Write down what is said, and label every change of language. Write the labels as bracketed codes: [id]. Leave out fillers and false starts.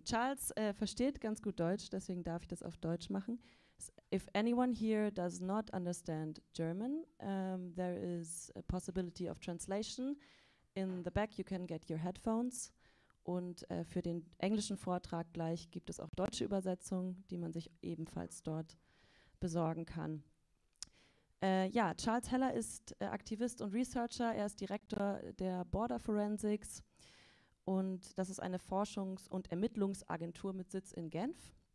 [de] Charles versteht ganz gut Deutsch, deswegen darf ich das auf Deutsch machen. [en] If anyone here does not understand German, there is a possibility of translation. In the back you can get your headphones. [de] Und für den englischen Vortrag gleich gibt es auch deutsche Übersetzungen, die man sich ebenfalls dort besorgen kann. Ja, Charles Heller ist Aktivist und Researcher. Er ist Direktor der Border Forensics. Und das ist eine Forschungs- und Ermittlungsagentur mit Sitz in Genf.